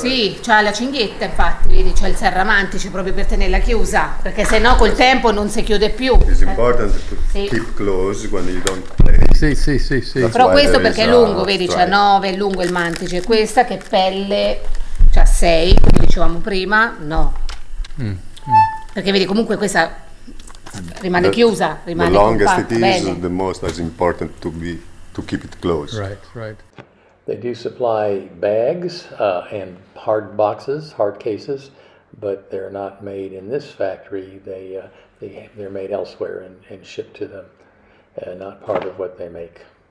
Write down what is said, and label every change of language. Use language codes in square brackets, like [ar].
[it] Sì, c'ha la cinghietta, infatti, vedi, c'è il serramantice proprio per tenerla chiusa, perché sennò col tempo non si chiude più. [en] It's important to keep close when you don't play. [it] Sì. Però questo perché è lungo, vedi, c'ha 9, è lungo il mantice. Questa che pelle c'ha 6, come dicevamo prima, no. Perché vedi, comunque questa rimane chiusa, rimane compatta. [en] The longest it is, the most is important to keep it close. Right. They do supply bags and hard boxes, hard cases, but they're not made in this factory. They're made elsewhere and shipped to them, not part of what they make.